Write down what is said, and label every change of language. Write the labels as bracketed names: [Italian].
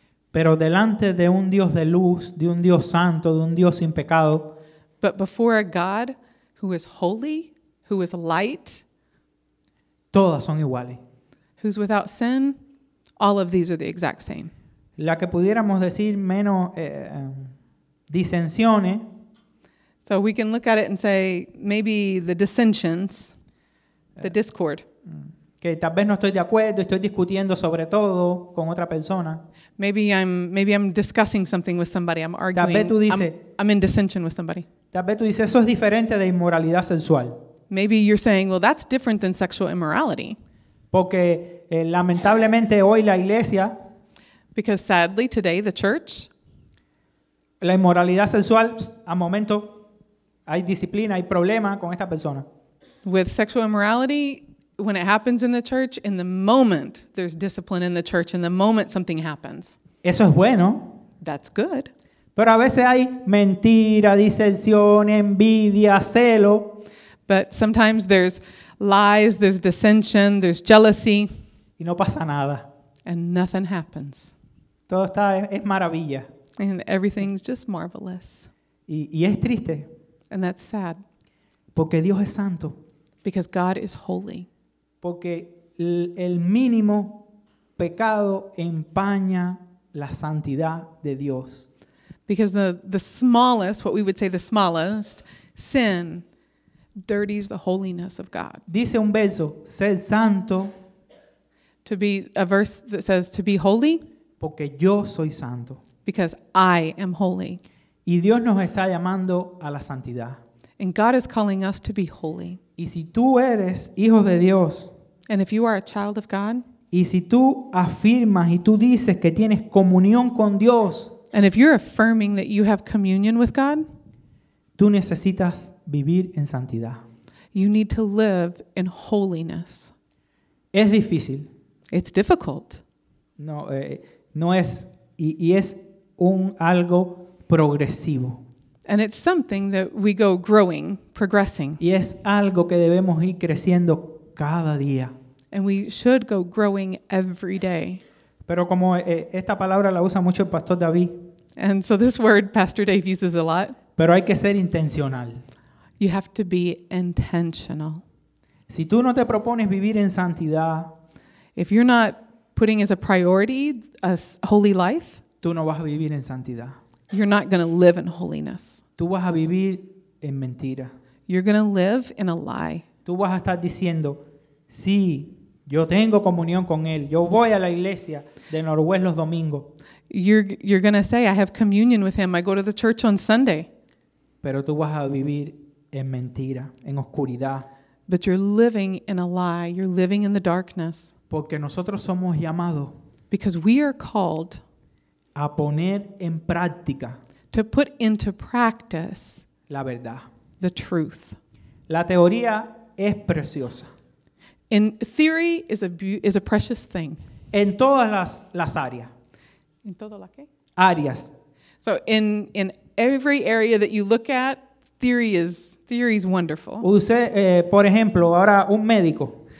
[Spanish] Pero delante de un Dios de luz, de un Dios santo, de un Dios sin pecado, [English] but before a God who is holy, who is light, [Spanish] todas son iguales. [English] Who's without sin, all of these are the exact same. [Spanish] La que pudiéramos decir menos disensiones. [English] So we can look at it and say maybe the dissensions, the discord. [Spanish] Que tal vez no estoy de acuerdo, estoy discutiendo sobre todo con otra persona. [English] Maybe I'm discussing something with somebody. I'm arguing. [Spanish] Tal vez tú dices, [English] I'm in dissension with somebody. [Spanish] Tal vez tú dices, eso es diferente de inmoralidad sexual. [English] Maybe you're saying, well, that's different than sexual immorality. [Spanish] Porque lamentablemente hoy la iglesia, [English] because sadly today the church, [Spanish] la inmoralidad sexual, a momento hay disciplina, hay problema con esta persona. [English] With sexual immorality, when it happens in the church, in the moment there's discipline in the church, in the moment something happens. [Spanish] Eso es bueno. [English] That's good. [Spanish] Pero a veces hay mentira, disensión, envidia, celo. [English] But sometimes there's lies, there's dissension, there's jealousy. [Spanish] Y no pasa nada. [English] And nothing happens. [Spanish] Todo está, es maravilla. [English] And everything's just marvelous. [Spanish] Y es triste. [English] And that's sad. [Spanish] Porque Dios es santo. [English] Because God is holy. [Spanish] Porque el mínimo pecado empaña la santidad de Dios. [English] Because the smallest, what we would say the smallest, sin dirties the holiness of God. [Spanish] Dice un verso, ser santo. [English] To be a verse that says to be holy. [Spanish] Porque yo soy santo. [English] Because I am holy. [Spanish] Y Dios nos está llamando a la santidad. [English] And God is calling us to be holy. [Spanish] Y si tú eres hijo de Dios, [English] and if you are a child of God, [Spanish] y si tú afirmas y tú dices que tienes comunión con Dios, [English] and if you're affirming that you have communion with God, [Spanish] tú necesitas vivir en santidad. [English] You need to live in holiness. [Spanish] Es difícil. [English] It's difficult. [Spanish] No, no es, y es un algo progresivo. [English] And it's something that we go growing, progressing. [Spanish] Y es algo que debemos ir creciendo cada día. [English] And we should go growing every day. [Spanish] Pero como esta palabra la usa mucho el Pastor David. [English] And so this word Pastor Dave uses a lot. [Spanish] Pero hay que ser intencional. [English] You have to be intentional. [Spanish] Si tú no te propones vivir en santidad, [English] if you're not putting as a priority a holy life, [Spanish] tú no vas a vivir en santidad. [English] You're not going to live in holiness. [Spanish] Tú vas a vivir en mentira. [English] You're going to live in a lie. [Spanish] Tú vas a estar diciendo, sí, yo tengo comunión con Él. Yo voy a la iglesia de Norwest los domingos. [English] You're going to say, I have communion with Him. I go to the church on Sunday. [Spanish] Pero tú vas a vivir en mentira, en oscuridad. [English] But you're living in a lie. You're living in the darkness. [Spanish] Porque nosotros somos llamados. [English] Because we are called. [Spanish] A poner en práctica. [English] To put into practice. [Spanish] La verdad. [English] The truth. [Spanish] La teoría es preciosa. [English] In theory is a precious thing. [Spanish] En todas las áreas. En todo la qué? Áreas. [English] So in every area that you look at, theory is wonderful. [Spanish] Usted, por ejemplo, ahora un médico.